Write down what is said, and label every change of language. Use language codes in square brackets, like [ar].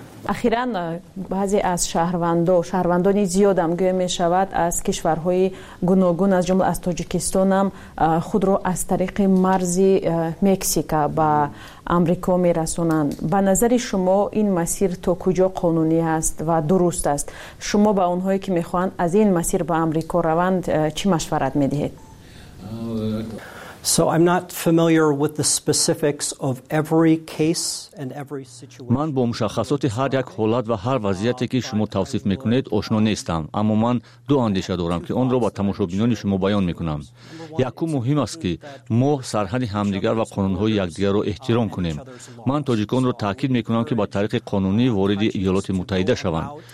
[fa] اخیراً بعضی از شهروندان و شهروندانی زیاد هم گویا میشود از کشورهای گوناگون از جمله از تاجیکستان هم خود را از طریق مرز مکزیکا به آمریکا میرسونند. به نظر شما این مسیر تا کجا قانونی است و درست است؟ شما به اونهایی که میخواهند از این مسیر به آمریکا روند چی مشورت میدهید؟ [en] So I'm not familiar with the specifics of every case and every situation. [fa] من با مشخصات هر یک حالت و هر وضعیتی که شما توصیف میکنید آشنا نیستم، اما من دو اندیشه دارم که اون را با تماشابینان شما بیان میکنم. یکو مهم است که ما سرحد همدیگر و قانونهای یکدیگر را احترام کنیم. من تاجیکان را تاکید میکنم که با طریق قانونی وارد ایالات متحده شوند.